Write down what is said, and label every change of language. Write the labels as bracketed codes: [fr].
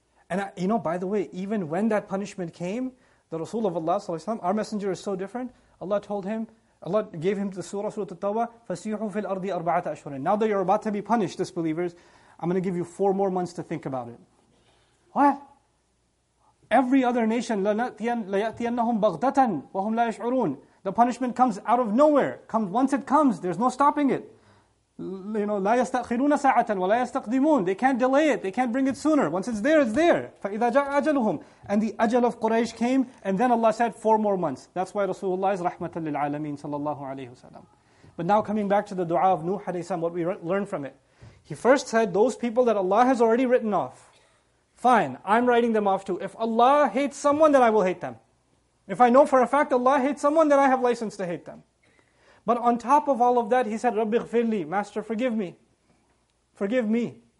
[en] And by the way, even when that punishment came, the Rasul of Allah sallallahu alaihi wasallam, our messenger is so different. Allah gave him the surah, Surah At-Tawbah, [ar] فَسِيحُوا فِي الْأَرْضِ أَرْبَعَةَ أَشْهُرٍ. [en] Now that you're about to be punished, disbelievers, I'm going to give you 4 more months to think about it. What? Every other nation, [ar] لَيَأْتِيَنَّهُمْ بَغْدَةً وَهُمْ لَا يَشْعُرُونَ. [en] The punishment comes out of nowhere. Comes, once it comes, there's no stopping it. You know, [ar] لَا يَسْتَأْخِرُونَ سَاعَةً وَلَا يَسْتَقْدِمُونَ. [en] They can't delay it. They can't bring it sooner. Once it's there, it's there. [ar] فَإِذَا جَاءَ أَجَلُهُمْ. [en] And the ajal of Quraysh came, and then Allah said 4 more months. That's why Rasulullah is [ar] رَحْمَةً لِلْعَالَمِينَ صلى الله عليه وسلم. [en] But now coming back to the dua of Nuh alayhi salam, what we learn from it. He first said, those people that Allah has already written off, fine, I'm writing them off too. If Allah hates someone, then I will hate them. If I know for a fact Allah hates someone, then I have license to hate them. But on top of all of that, he said, [ar] رَبِّ اغْفِرْ لِي, [en] Master, forgive me. Forgive me.